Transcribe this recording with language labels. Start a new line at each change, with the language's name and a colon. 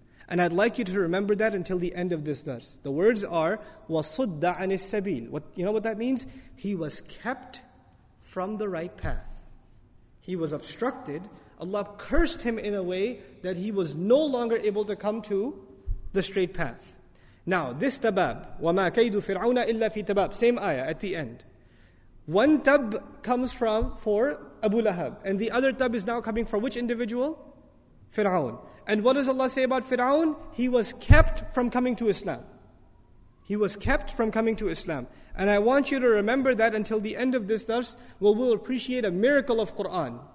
English: And I'd like you to remember that until the end of this dars. The words are,
Arabic: وَصُدَّ عَنِ السَّبِيلِ.
English: You know what that means? He was kept from the right path. He was obstructed. Allah cursed him in a way that he was no longer able to come to the straight path. Now, this tabab,
Arabic: وَمَا كَيْدُ فِرْعَوْنَ إِلَّا فِي تَبَابٍ.
English: Same ayah at the end. One tab comes for Abu Lahab. And the other tab is now coming for which individual? Fir'aun. And what does Allah say about Fir'aun? He was kept from coming to Islam. He was kept from coming to Islam. And I want you to remember that until the end of this dars, where we'll appreciate a miracle of Qur'an.